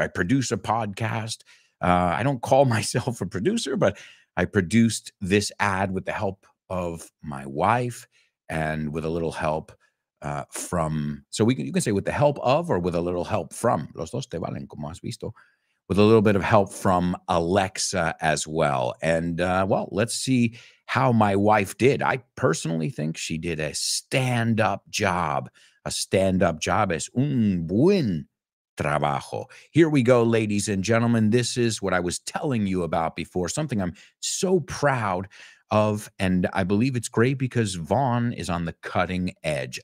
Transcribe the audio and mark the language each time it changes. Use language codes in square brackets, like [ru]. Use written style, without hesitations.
[en] I produce a podcast. I don't call myself a producer, but I produced this ad with the help of my wife and with a little help from, so we can, you can say with the help of or with a little help from, [es] los dos te valen como has visto, [en] with a little bit of help from Alexa as well. And well, let's see how my wife did. I personally think she did a stand-up job. A stand-up job [es] es un buen trabajo. [en] Here we go, ladies and gentlemen. This is what I was telling you about before, something I'm so proud of, and I believe it's great because Vaughn is on the cutting edge.